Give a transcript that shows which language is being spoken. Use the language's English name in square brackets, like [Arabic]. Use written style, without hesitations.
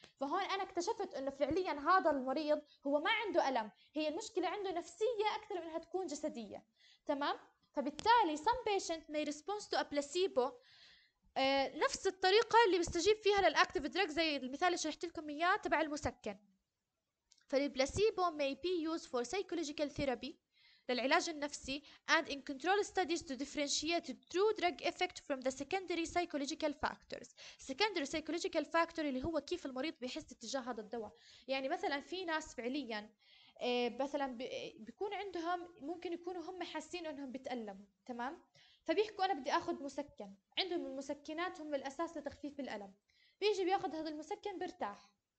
[Arabic] فهون أنا اكتشفت إنه فعلياً هذا المريض هو ما عنده ألم، هي المشكلة عنده نفسية أكثر من إنها تكون جسدية. تمام؟ فبالتالي [English] some patient may respond to a placebo [Arabic] نفس الطريقة اللي بيستجيب فيها للأكتيف دراج زي المثال اللي شرحت لكم إياه تبع المسكن. [English] فالبلاسيبو may be used for psychological therapy [Arabic] للعلاج النفسي [English] and in control studies to differentiate true drug effect from the secondary psychological factors. Secondary psychological factor [Arabic] اللي هو كيف المريض بيحس تجاه هذا الدواء. يعني مثلا في ناس فعليا مثلا بيكون عندهم ممكن يكونوا هم حاسين انهم بتألموا، تمام؟ فبيحكوا انا بدي اخذ مسكن، عندهم المسكنات هم الاساس لتخفيف الالم، بيجي بياخذ هذا المسكن برتاح.